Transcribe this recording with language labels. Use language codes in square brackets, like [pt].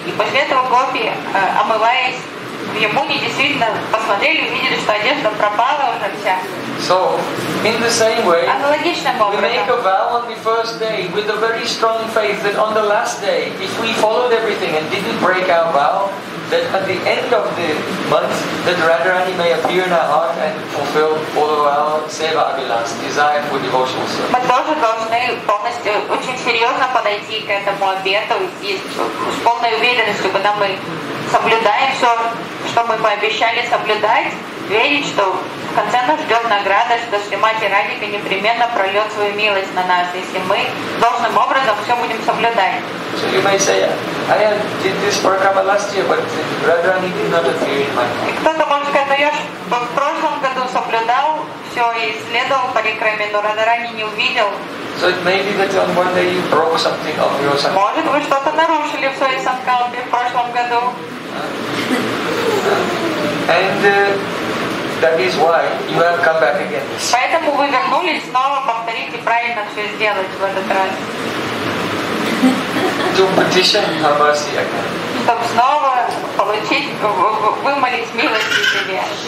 [ru] И после этого гопи, омываясь в Ямуне, действительно посмотрели, увидели, что одежда пропала уже вся. [en] So, in the same way, [ru] аналогичным образом, [en] we make a vow on the first day with a very strong faith that on the last day, if we followed everything and didn't break our vow, that at the end of the month, that Radharani may appear in our heart and fulfill all of our seva abhilas, desire for devotional service. [ru] Мы тоже должны полностью, очень серьезно подойти к этому обету и с полной уверенностью, когда мы соблюдаем все, что мы пообещали соблюдать, верить, что в конце нас ждет награда, что Шримати Радика непременно прольет свою милость на нас, если мы должным образом все будем соблюдать. [en] So you may say, I did this program last year, but Radharani did not appear in my mind. [ru] Кто-то может сказать, но я ж в прошлом году соблюдал все и следовал парикраме, но Радхарани не увидел. [en] So it may be that on one day you broke something of your sankalpa. [ru] Может, вы что-то нарушили в своей санкалпе в прошлом году. [en] And that is why you have come back again. [ru] Поэтому вы вернулись снова повторить и правильно все сделать в этот раз. [en] To petition her mercy again. [ru] Чтобы снова получить, вымолить милость из себя.